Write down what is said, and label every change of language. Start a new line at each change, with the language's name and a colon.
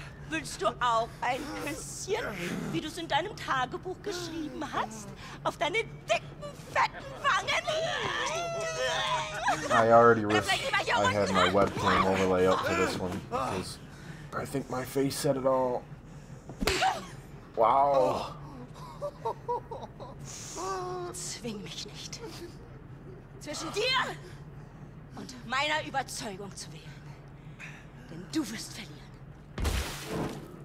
German: Willst du auch ein Küsschen, wie du es in deinem Tagebuch geschrieben hast, auf deine dicken, fetten Wangen?
English: I already wished I had my webcam overlay up for this one, because I think my face said it all. Wow.
German: Zwing mich nicht, zwischen dir und meiner Überzeugung zu wählen, denn du wirst verlieren.